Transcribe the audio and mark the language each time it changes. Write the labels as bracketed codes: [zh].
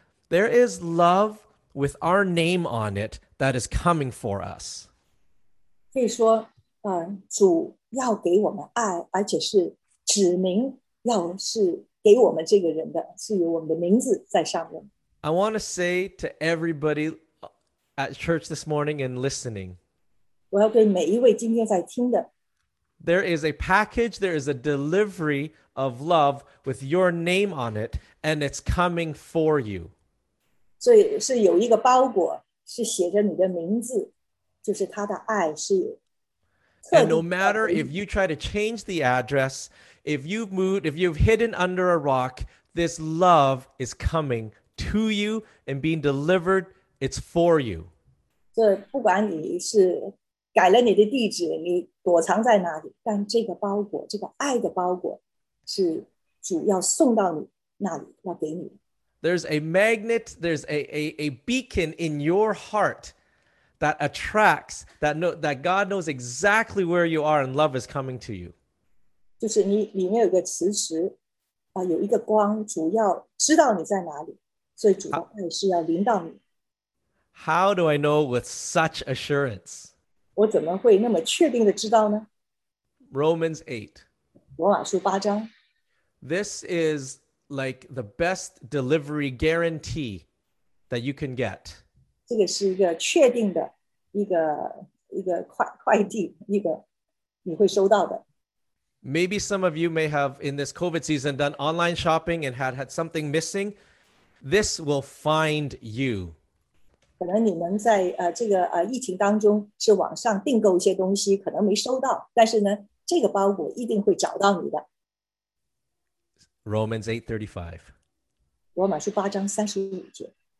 [en] There is love with our name on it that is coming for us. [zh] 可以说, 主要给我们爱，而且是指明要是给我们这个人的，是有我们的名字在上面。 [en] I want to say to everybody at church this morning and listening, [zh] 我要对每一位今天在听的, [en] there is a package, there is a delivery of love with your name on it, and it's coming for you. [zh] 所以是有一个包裹,是写着你的名字,就是他的爱是有。 [en] And no matter if you try to change the address, if you've moved, if you've hidden under a rock, this love is coming to you and being delivered, it's for you. [zh] 这不管你是改了你的地址，你躲藏在哪里，但这个包裹，这个爱的包裹，是主要送到你那里，要给你。 [en] There's a magnet, there's a beacon in your heart that attracts, that God knows exactly where you are and love is coming to you. [zh] 就是你里面有个磁石，有一个光，主要知道你在哪里。所以主的爱是要临到你。 [en] How do I know with such assurance? [zh] 我怎么会那么确定的知道呢? [en] Romans 8. [zh] 罗马书八章。 [en] This is like the best delivery guarantee that you can get. [zh] 这个是一个确定的一个快递，一个你会收到的。 [en] Maybe some of you may have in this COVID season done online shopping and had something missing. This will find you. [zh] 可能你们在这个疫情当中是网上订购一些东西，可能没收到，但是呢，这个包裹一定会找到你的。 [en] Romans 8:35. [zh] 罗马书八章三十五节。